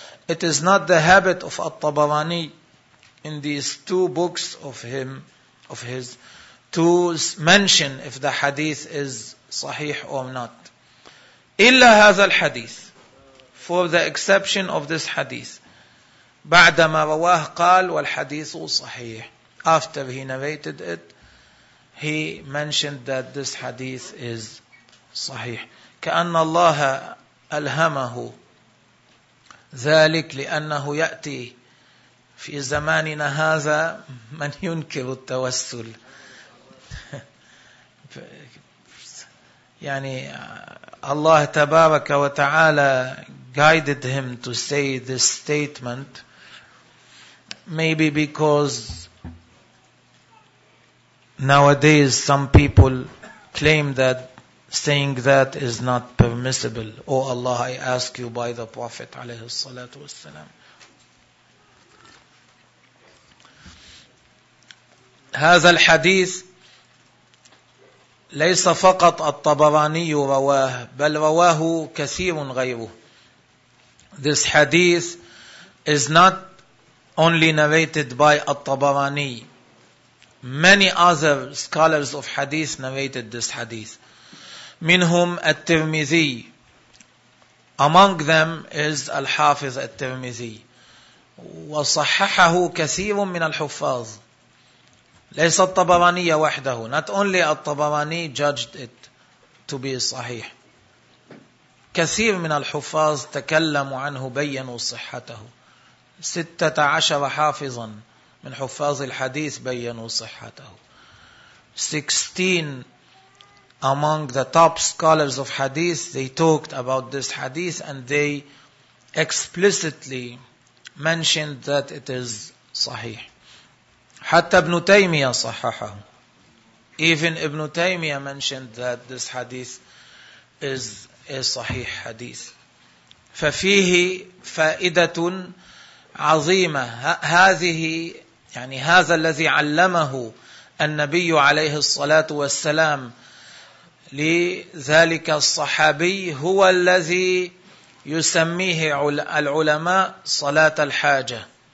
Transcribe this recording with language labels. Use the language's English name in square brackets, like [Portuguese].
[English] It is not the habit of al-Tabarani in these two books of him, of his, to mention if the hadith is sahih or not. [Arabic] إلا هذا الحديث, [English] for the exception of this hadith. [Arabic] بعدما رواه قال والحديث صحيح. [English] After he narrated it, he mentioned that this hadith is صحيح. [Arabic] كأن الله ألهمه ذلك لأنه يأتي في زماننا هذا من ينكر التوسل. يعني الله تبارك وتعالى [English] guided him to say this statement, maybe because nowadays some people claim that saying that is not permissible. Oh Allah, I ask you by the Prophet [Arabic] عليه الصلاة والسلام. هذا الحديث ليس فقط الطبراني رواه بل رواه كثير غيره. [English] This hadith is not only narrated by al-Tabarani. Many other scholars of hadith narrated this hadith. [Arabic] Minhum [English] al-Tirmidhi. Among them is al-Hafiz al-Tirmidhi. [Arabic] وصححه كثير من الحفاظ. ليس الطبراني وحده. [English] Not only al-Tabarani judged it to be صحيح. [Arabic] كثير من الحفاظ تكلموا عنه بيّنوا صحته. 16 حافظا من حفاظ الحديث بيّنوا صحته. [English] 16 among the top scholars of hadith, they talked about this hadith and they explicitly mentioned that it is صحيح. [Arabic] حتى ابن تيمية صححه. [English] Even ابن تيمية mentioned that this hadith is a [Arabic] صحيح حديث. ففيه فائدة عظيمة. هذه يعني هذا الذي علمه النبي عليه الصلاة والسلام لذلك الصحابي هو الذي يسميه العلماء صلاة الحاجة.